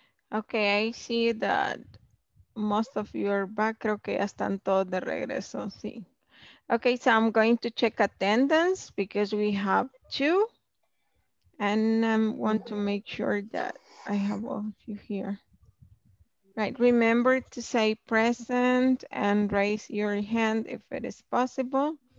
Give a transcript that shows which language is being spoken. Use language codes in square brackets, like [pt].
[en] Okay, I see that most of you are back. [es] Creo que ya están todos de regreso, sí. [en] Okay, so I'm going to check attendance because we have two. And I want to make sure that I have all of you here. Right, remember to say present and raise your hand if it is possible.